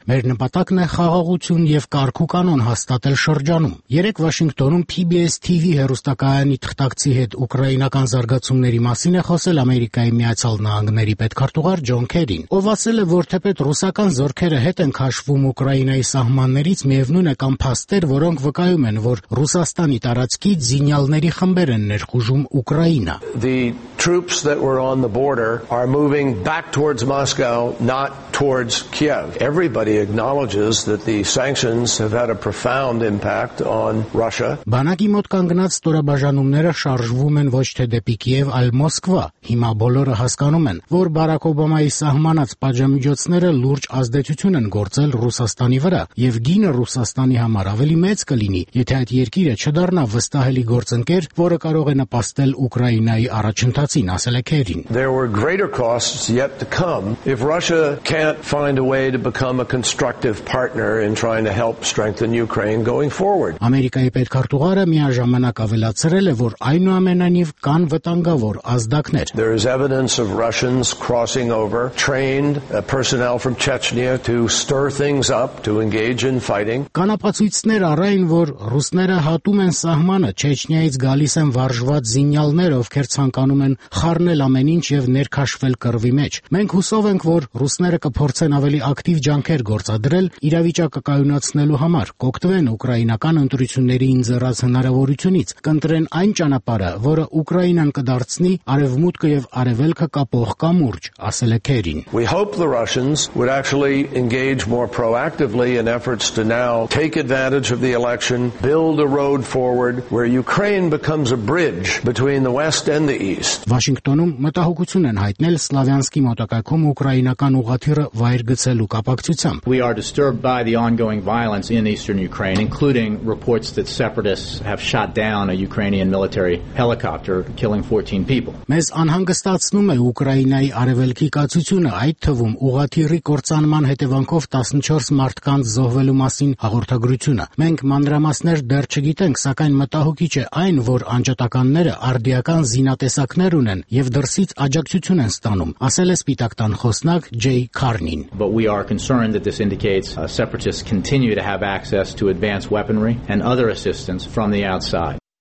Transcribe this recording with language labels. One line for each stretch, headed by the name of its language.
Armenian: Մեր նպատակն է խաղաղություն և կարգու կանոն հաստատել շրջանում։ Երեկ Վաշինգտոնում PBS TV հեռուստակայանի թղթակցի հետ ուկրաինական զարգացումների մասին է խոսել Ամերիկայի Միացյալ Նահանգների պետքարտուղար Ջոն Քերին, ով ասել է, որ թեպետ ռուսական զորքերը հետ են քաշվում Ուկրաինայի սահմաններից, միևնույն է, կամ փաստեր, որոնք վկայում են, որ Ռուսաստանի տարածքի զինյալների խմբեր են ներխուժում Ուկրաինա։
English: The troops that were on the border are moving back towards Moscow, not towards Kiev. Everybody acknowledges that the sanctions have had a profound impact on Russia.
Armenian: Բանակի մոտ կանգնած ստորաբաժանումները շարժվում են ոչ թե դեպի Կիև, այլ Մոսկվա։ Հիմա բոլորը հասկանում են, որ Բարակ Օբամայի սահմանած պատժամիջոցները լուրջ ազդեցություն են գործել Ռուսաստանի վրա, և գինը Ռուսաստանի համար ավելի մեծ կլինի, եթե այդ երկիրը չդառնա վստահելի գործընկեր, որը կարող է նպաստել Ուկրաինայի առաջընթացին, ասել է Քերին։
English: There were greater costs yet to come if Russia can't find a way to become a constructive partner in trying to help strengthen Ukraine going forward.
Armenian: Ամերիկայի պետքարտուղարը միաժամանակ ավելացրել է, որ այնուամենայնիվ կան վտանգավոր ազդակներ։
English: There is evidence of Russians crossing over trained personnel from Chechnya to stir things up, to engage in fighting.
Armenian: Կանապացույցներ առային, որ ռուսները հատում են սահմանը, Չեչնիայից գալիս են վարժված զինյալներ, ովքեր ցանկանում են խառնել ամեն ինչ եւ ներքաշվել կռվի մեջ։ Մենք հուսով ենք, որ ռուսները կփորձեն ավելի ակտիվ ջանքեր գործել։ արձադրել իրավիճակը կայունացնելու համար, կօգտվեն ուկրաինական ընտրությունների ինձեռած հնարավորությունից, կընտրեն այն ճանապարհը, որը Ուկրաինան կդարձնի արևմուտքը եւ արևելքը կապող կամուրջ, ասել է Քերին։
English: We hope the Russians would actually engage more proactively in efforts to now take advantage of the election, build a road forward where Ukraine becomes a bridge between the West and the East.
Armenian: Վաշինգտոնում մտահոգություն են հայտնել Սլավյանսկի մոտակայքում ուկրաինական ուղղաթիռը վայր գցելու կապակցությամբ։
English: We are disturbed by the ongoing violence in eastern Ukraine, including reports that separatists have shot down a Ukrainian military helicopter, killing 14 people.
Armenian: Մեզ անհանգստացնում է Ուկրաինայի արևելքի կացությունը, այդ թվում ուղղաթիռի կործանման հետևանքով 14 մարդկանց զոհվելու մասին հաղորդագրությունը։ Մենք մանրամասներ դեռ չգիտենք, սակայն մտահոգիչ է այն, որ անջատականները արդիական զինատեսակներ ունեն եւ դրսից աջակցություն են ստանում, ասել է Սպիտակ տան խոսնակ Ջեյ Քարնին։
English: But we are concerned that this indicates separatists continue to have access to advanced weaponry and other assistance from the outside.